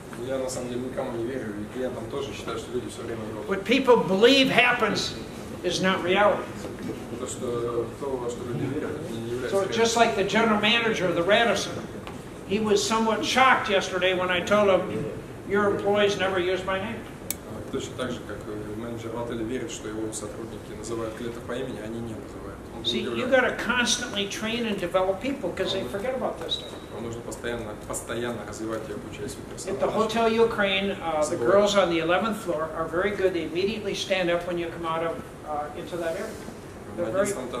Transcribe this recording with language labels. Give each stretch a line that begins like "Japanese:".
Russian: Я на самом деле никому не верю, и клиентам тоже считаю, что люди все время врут.
English: What people believe happens is not reality.
Russian: То, что люди верят, это не является реальностью.
English: So just like the general manager of the Radisson, he was somewhat shocked yesterday when I told him, your employees never use my name.
Russian: Точно так же, как менеджер в отеле верит, что его сотрудники называют клиента по имени, они не называют.
English: See, you got to constantly train and develop people because they forget about this stuff.
Russian: Нужно постоянно развивать и обучать свой персонал.
English: At the Hotel Ukraine, the girls on the 11th floor are very good. They immediately stand up when you come out of into that area.